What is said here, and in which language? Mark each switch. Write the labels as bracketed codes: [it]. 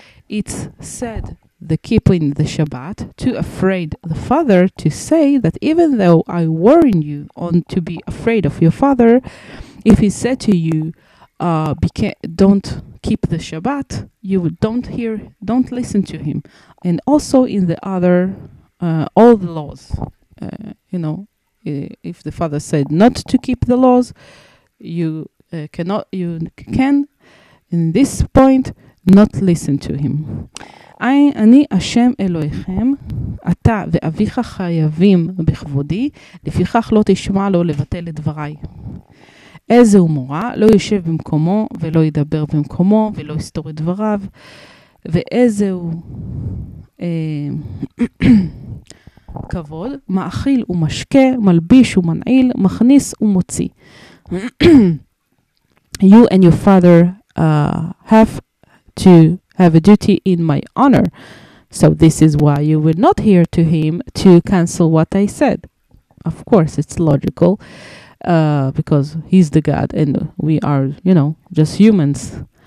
[en] It's said the keeping the Shabbat, too afraid the father to say that even though I warn you on to be afraid of your father, if he said to you, don't keep the Shabbat, you don't hear, don't listen to him. And also in the other, all the laws, you know, if the father said not to keep the laws, you cannot, you can, in this point, not listen to him. [he] אני השם אלוהיכם, אתה ואביך חייבים בכבודי, לפיכך לא תשמע לו לבטל את דבריי. איזה הוא מורה, לא יושב במקומו ולא ידבר במקומו ולא יסתור את דבריו, ואיזה הוא כבוד, מאכיל ומשקה, מלביש ומנעיל, מכניס ומוציא. [en] You and your father have to have a duty in my honor. So this is why you will not hear to him to cancel what I said. Of course, it's logical, because he's the God and we are, you know, just humans.